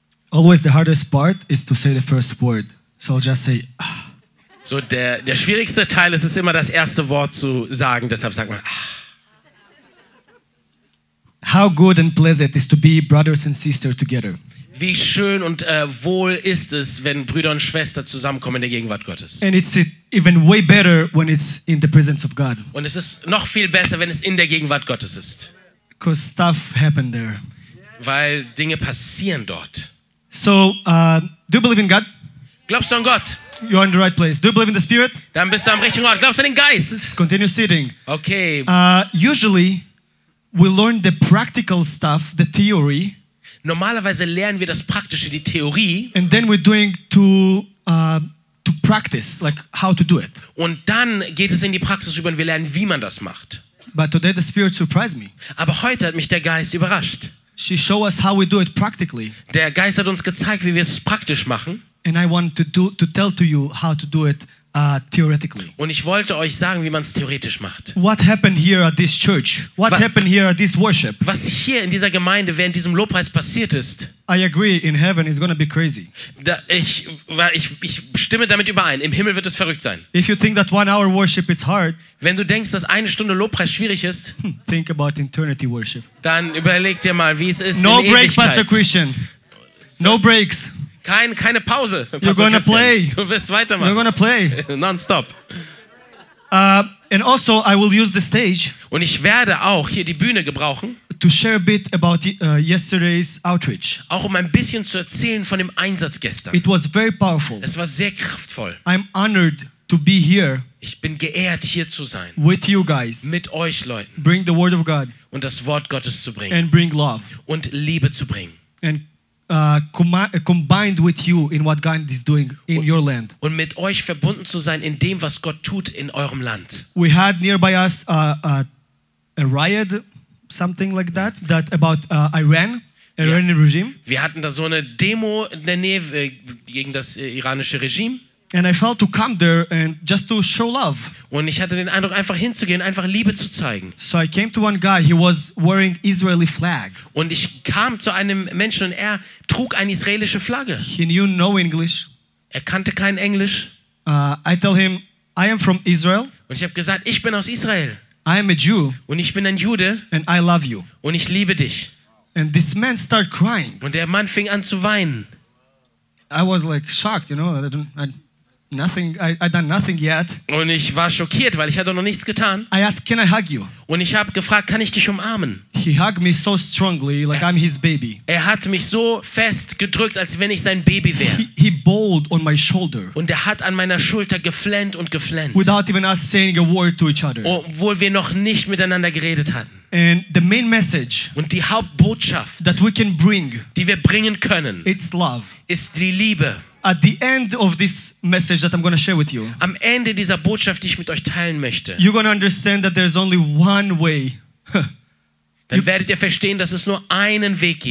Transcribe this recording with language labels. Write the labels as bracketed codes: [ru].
[en] Always the hardest part is to say the first word. So I'll just say. Ah. [de] So der schwierigste Teil ist es immer das erste Wort zu sagen. Deshalb sagt man. Ah. [en] How good and pleasant is to be brothers and sisters together. [de] Wie schön und wohl ist es, wenn Brüder und Schwestern zusammenkommen in der Gegenwart Gottes. [en] And it's even way better when it's in the presence of God. [de] Und es ist noch viel besser, wenn es in der Gegenwart Gottes ist. [en] Because stuff happen there. [de] Weil Dinge passieren dort. [en] So, do you believe in God? [de] Glaubst du an Gott? [en] You're in the right place. Do you believe in the Spirit? [de] Dann bist du am richtigen Ort. Glaubst du an den Geist? [en] Let's continue sitting. Okay. Usually, we learn the practical stuff, the theory. [de] Normalerweise lernen wir das Praktische, die Theorie. [en] And then we're doing to practice, like how to do it. [de] Und dann geht es in die Praxis über und wir lernen, wie man das macht. [en] But today the Spirit surprised me. [de] Aber heute hat mich der Geist überrascht. [en] She showed us how we do it practically. [de] Der Geist hat uns gezeigt, wie wir es praktisch machen. [en] And I want to tell to you how to do it theoretically. [de] Und ich wollte euch sagen, wie man es theoretisch macht. [en] What happened here at this church? What happened here at this worship? [de] Was hier in dieser Gemeinde während diesem Lobpreis passiert ist? [en] I agree, in heaven it's going to be crazy. [de] Ich stimme damit überein. Im Himmel wird es verrückt sein. [en] If you think that 1 hour worship is hard, [de] wenn du denkst, dass eine Stunde Lobpreis schwierig ist, [en] think about eternity worship. [de] Dann überleg dir mal, wie es ist. [en] No in break, [de] Ewigkeit. [en] Pastor Christian. No breaks. [de] Keine Pause. [en] You're gonna play. [de] Du wirst weitermachen. [en] You're gonna play. Non-stop. And also, I will use the stage. [de] Und ich werde auch hier die Bühne gebrauchen. [en] To share a bit about yesterday's outreach. [de] Auch um ein bisschen zu erzählen von dem Einsatz gestern. [en] It was very powerful. [de] Es war sehr kraftvoll. [en] I'm honored to be here. [de] Ich bin geehrt, hier zu sein. [en] With you guys. [de] Mit euch Leuten. [en] Bring the word of God. [de] Und das Wort Gottes zu bringen. [en] And bring love. [de] Und Liebe zu bringen. [en] And combined with you in what God is doing in your land. [de] Und mit euch verbunden zu sein in dem, was Gott tut in eurem Land. [en] We had nearby us a riot, something like that, that about Iran. Iranian regime. [de] Wir hatten da so eine Demo in der Nähe gegen das iranische Regime. [en] And I felt to come there and just to show love. [de] Und ich hatte den Eindruck, einfach hinzugehen, einfach Liebe zu zeigen. [en] So I came to one guy. He was wearing Israeli flag. [de] Und ich kam zu einem Menschen und er trug eine israelische Flagge. [en] He knew no English. [de] Er kannte kein Englisch. [en] I tell him, I am from Israel. [de] Und ich habe gesagt, ich bin aus Israel. [en] I am a Jew. [de] Und ich bin ein Jude. [en] And I love you. [de] Und ich liebe dich. [en] And this man started crying. [de] Und der Mann fing an zu weinen. [en] I was like shocked, you know. I done nothing yet. [de] Und ich war schockiert, weil ich hatte noch nichts getan. [en] I asked, can I hug you? [de] Und ich habe gefragt, kann ich dich umarmen? [en] He hugged me so strongly, like I'm his baby. [de] Er hat mich so fest gedrückt, als wenn ich sein Baby wäre. [en] He bowled on my shoulder. [de] Und er hat an meiner Schulter geflennt und geflennt. [en] Without even us saying a word to each other. [de] Obwohl wir noch nicht miteinander geredet hatten. [en] And the main message, [de] und die Hauptbotschaft, [en] that we can bring, [de] die wir bringen können, [en] it's love, [de] ist die Liebe. [en] At the end of this message that I'm going to share with you, [de] am Ende dieser Botschaft, die ich mit euch teilen möchte, [en] you're going to understand that there's only one way. [de] Dann werdet ihr verstehen, dass es nur einen Weg gibt.